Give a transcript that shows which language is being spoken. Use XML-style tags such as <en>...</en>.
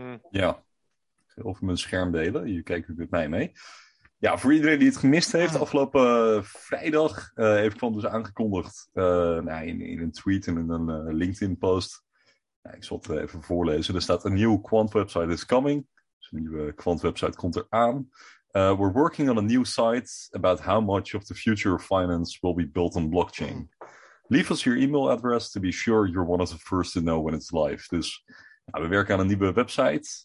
<nl>Ja, of mijn scherm delen. Je kijkt ook met mij mee. Ja, voor iedereen die het gemist heeft, afgelopen vrijdag heeft Kwant dus aangekondigd in een tweet en in een LinkedIn post. Ik zal het even voorlezen. Er staat: een nieuwe Kwant website</nl> <en>is coming.</en> <nl>Dus een nieuwe Kwant website komt eraan.</nl> <en>We're working on a new site about how much of the future of finance will be built on blockchain. Leave us your email address to be sure you're one of the first to know when it's live.</en> <nl>Dus ja, we werken aan een nieuwe website.</nl>